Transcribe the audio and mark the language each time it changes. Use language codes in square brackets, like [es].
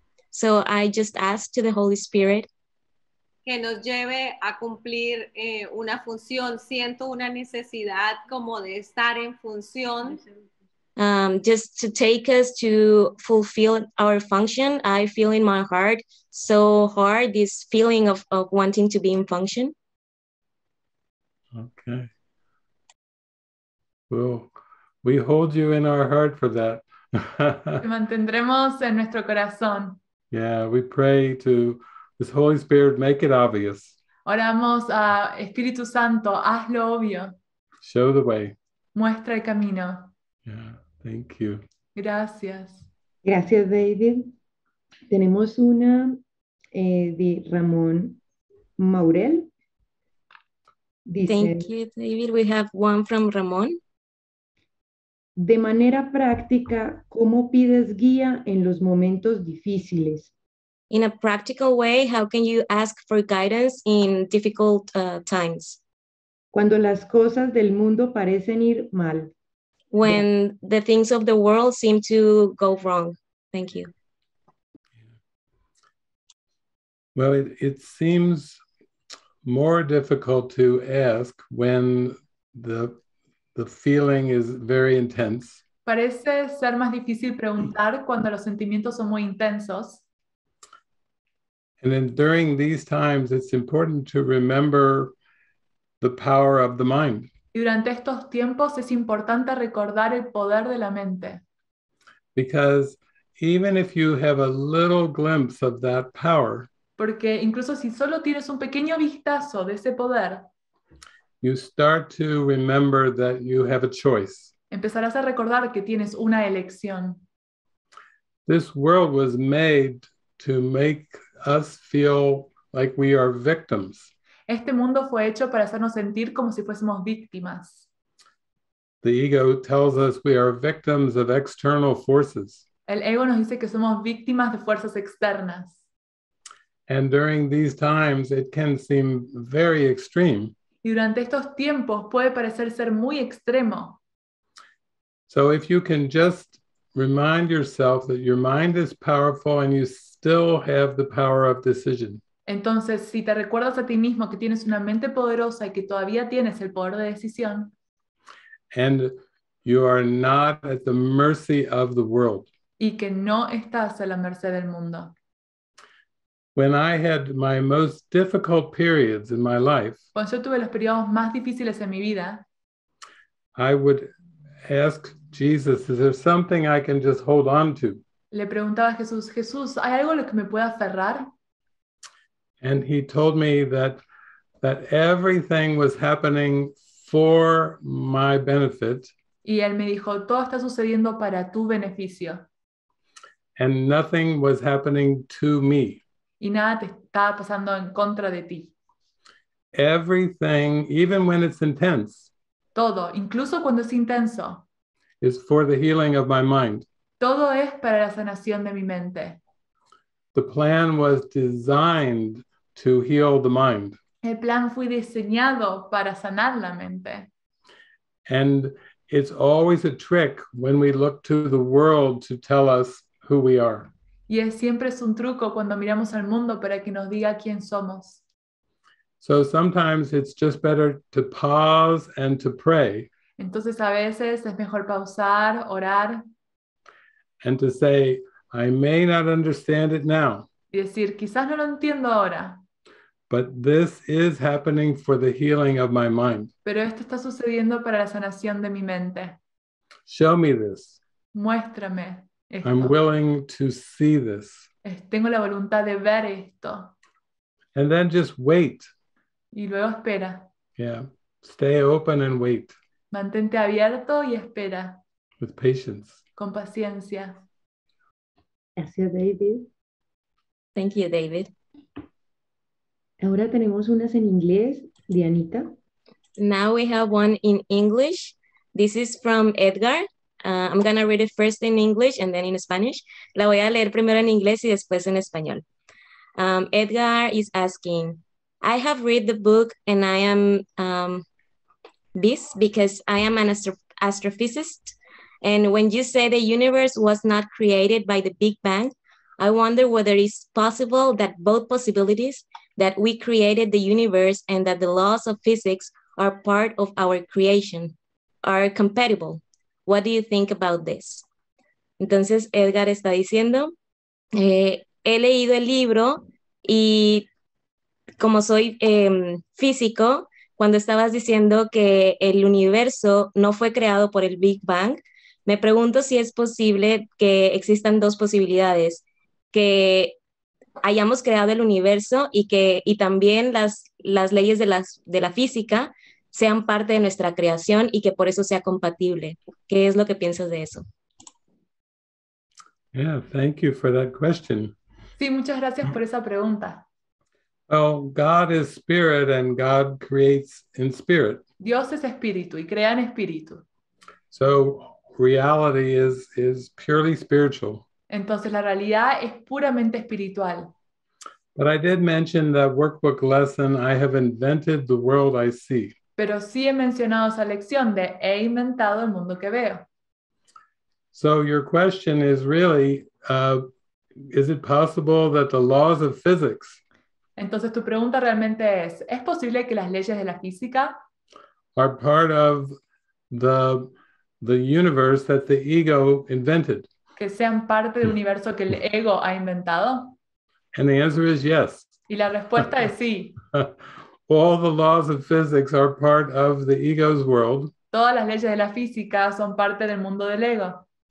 [en] So I just ask to the Holy Spirit. [es] Que nos lleve a cumplir una función. Siento una necesidad como de estar en función. [en] Just to take us to fulfill our function. I feel in my heart so hard this feeling of wanting to be in function. Okay. Well, we hold you in our heart for that. [es] Te mantendremos en nuestro corazón. [en] Yeah, we pray to this Holy Spirit, make it obvious. [es] Oramos a Espíritu Santo, hazlo obvio. [en] Show the way. [es] Muestra el camino. [en] Yeah. Thank you. [es] Gracias. Gracias, David. Tenemos una de Ramón Maurel. Dice, [en] thank you, David. We have one from Ramón. [es] De manera práctica, ¿cómo pides guía en los momentos difíciles? [en] In a practical way, how can you ask for guidance in difficult times? [es] Cuando las cosas del mundo parecen ir mal. [en] When the things of the world seem to go wrong. Thank you. Well, it seems more difficult to ask when the feeling is very intense. [es] Parece ser más difícil preguntar cuando los sentimientos son muy intensos. [en] And then during these times, it's important to remember the power of the mind. [es] Y durante estos tiempos es importante recordar el poder de la mente. [en] Because even if you have a little glimpse of that power, [es] porque incluso si solo tienes un pequeño vistazo de ese poder, [en] you start to remember that you have a choice. [es] Empezarás a recordar que tienes una elección. [en] This world was made to make us feel like we are victims. [es] Este mundo fue hecho para hacernos sentir como si fuésemos víctimas. [en] The ego tells us we are victims of external forces. [es] El ego nos dice que somos víctimas de fuerzas externas. [en] And during these times, it can seem very extreme. [es] Y durante estos tiempos puede parecer ser muy extremo. [en] So if you can just remind yourself that your mind is powerful and you still have the power of decision. [es] Entonces, si te recuerdas a ti mismo que tienes una mente poderosa y que todavía tienes el poder de decisión. [en] And you are not at the mercy of the world. [es] Y que no estás a la merced del mundo. [en] When I had my most difficult periods in my life, [es] cuando yo tuve los periodos más difíciles en mi vida, [en] I would ask Jesus, is there something I can just hold on to? [es] Le preguntaba a Jesús, Jesús, ¿hay algo a lo que me pueda aferrar? [en] And he told me that everything was happening for my benefit. [es] Y él me dijo, todo está sucediendo para tu beneficio. [en] And nothing was happening to me. [es] Y nada te estaba pasando en contra de ti. [en] Everything, even when it's intense. [es] Todo, incluso cuando es intenso. [en] Is for the healing of my mind. [es] Todo es para la sanación de mi mente. [en] The plan was designed to heal the mind. [es] El plan fue diseñado para sanar la mente. [en] And it's always a trick when we look to the world to tell us who we are. [es] Y es siempre es un truco cuando miramos al mundo para que nos diga quién somos. [en] So sometimes it's just better to pause and to pray. [es] Entonces a veces es mejor pausar, orar. [en] And to say, I may not understand it now. [es] Y decir, quizás no lo entiendo ahora. [en] But this is happening for the healing of my mind. [es] Pero esto está sucediendo para la sanación de mi mente. [en] Show me this. [es] Muéstrame. Esto. [en] I'm willing to see this. [es] Tengo la voluntad de ver esto. [en] And then just wait. [es] Y luego espera. [en] Yeah. Stay open and wait. [es] Mantente abierto y espera. [en] With patience. [es] Con paciencia. Gracias, David. [en] Thank you, David. [es] Ahora tenemos unas en inglés, de Anita. [en] Now we have one in English. This is from Edgar. I'm going to read it first in English and then in Spanish. [es] La voy a leer primero en inglés y después en español. [en] Edgar is asking, I have read the book and I am this because I am an astrophysicist. And when you say the universe was not created by the Big Bang, I wonder whether it's possible that both possibilities, that we created the universe and that the laws of physics are part of our creation, are compatible. What do you think about this? [es] Entonces Edgar está diciendo, he leído el libro y como soy físico, cuando estabas diciendo que el universo no fue creado por el Big Bang, me pregunto si es posible que existan dos posibilidades, que hayamos creado el universo y también las leyes de la física sean parte de nuestra creación y que por eso sea compatible. ¿Qué es lo que piensas de eso? [en] Yeah, thank you for that question. [es] Sí, muchas gracias por esa pregunta. [en] Well, God is spirit and God creates in spirit. [es] Dios es espíritu y crea en espíritu. [en] So reality is purely spiritual. [es] Entonces la realidad es puramente espiritual. [en] But I did mention that workbook lesson, I have invented the world I see. [es] Pero sí he mencionado esa lección de he inventado el mundo que veo. [en] So your question is really, is it possible that the laws of physics? [es] Entonces tu pregunta realmente ¿es posible que las leyes de la física? [en] Are part of the universe that the ego invented. [es] Que sean parte del universo que el ego ha inventado. [en] And the answer is yes. [es] Y la respuesta es sí. [en] All the laws of physics are part of the ego's world. [es] Todas las leyes de la física son parte del mundo del ego.